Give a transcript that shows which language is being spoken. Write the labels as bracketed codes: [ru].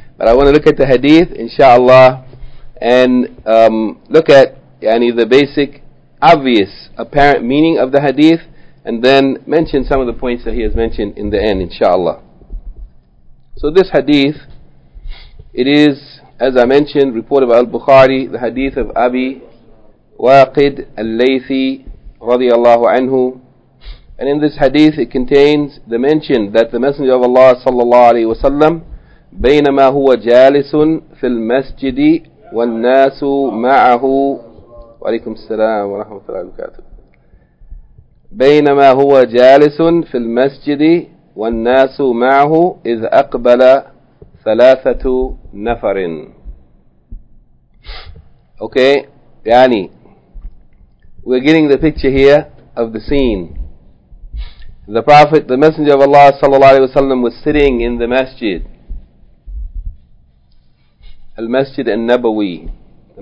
[en] But I want to look at the hadith, inshallah, and look at the basic, obvious, apparent meaning of the hadith, and then mention some of the points that he has mentioned in the end, inshallah. So this hadith, it is, as I mentioned, reported by Al-Bukhari, the hadith of Abi Waqid Al-Laythi, radiyallahu anhu. And in this hadith, it contains the mention that the Messenger of Allah, sallallahu alayhi wa sallam, [ar] بينما هو جالس في المسجد والناس معه وعليكم السلام ورحمة الله وبركاته بينما هو جالس في المسجد والناس معه إذ أقبل ثلاثة نفر. [en] Okay, we're getting the picture here of the scene. The Prophet, the Messenger of Allah صلى الله عليه وسلم, was sitting in the masjid. Al-Masjid An-Nabawi, the